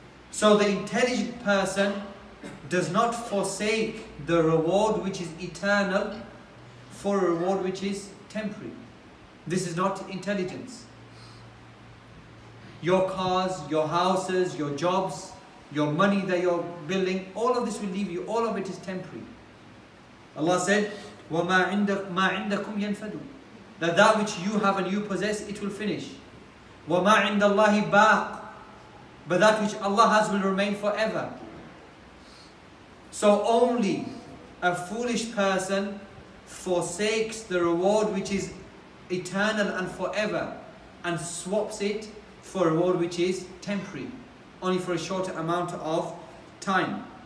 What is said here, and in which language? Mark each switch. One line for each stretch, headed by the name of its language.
English: So the intelligent person does not forsake the reward which is eternal for a reward which is temporary. This is not intelligence. Your cars, your houses, your jobs, your money that you're building, all of this will leave you. All of it is temporary. Allah said,
Arabic: وَمَا عِنْدَكُمْ يَنْفَدُ.
English: That which you have and you possess, it will finish.
Arabic: وَمَا عِنْدَ اللَّهِ بَاقْ.
English: But that which Allah has will remain forever. So only a foolish person forsakes the reward which is eternal and forever, and swaps it for a reward which is temporary, only for a shorter amount of time.